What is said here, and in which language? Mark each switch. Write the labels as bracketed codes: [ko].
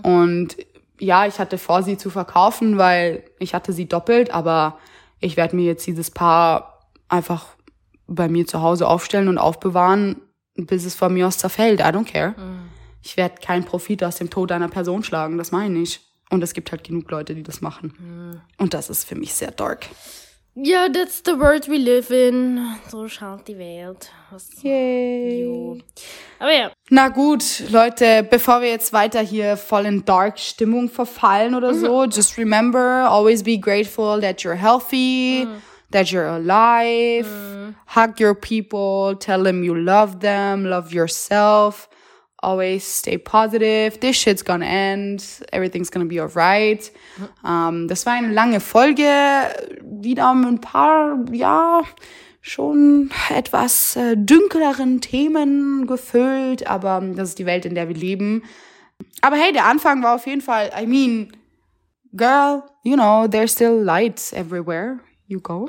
[de] Und ja, ich hatte vor, sie zu verkaufen, weil ich hatte sie doppelt, aber ich werde mir jetzt dieses Paar einfach bei mir zu Hause aufstellen und aufbewahren, bis es von mir aus zerfällt. [en] I don't care. [de] Mhm. Ich werde keinen Profit aus dem Tod einer Person schlagen, das meine ich. Und es gibt halt genug Leute, die das machen. Mhm. Und das ist für mich sehr dark. [en] Ja, yeah, that's the world we live in. [de] So schaut die Welt. Was? Yay. Jo. Aber ja. Na gut, Leute, bevor wir jetzt weiter hier voll in dark Stimmung verfallen oder so, [en] just remember, always be grateful that you're healthy. [de] Mhm. [en] That you're alive, hug your people, tell them you love them, love yourself, always stay positive, this shit's gonna end, everything's gonna be alright. [de] Das war eine lange Folge, wieder mit ein paar, ja, schon etwas dunkleren Themen gefüllt, aber das ist die Welt, in der wir leben. Aber hey, der Anfang war auf jeden Fall, [en] I mean, girl, you know, there's still light everywhere. You go.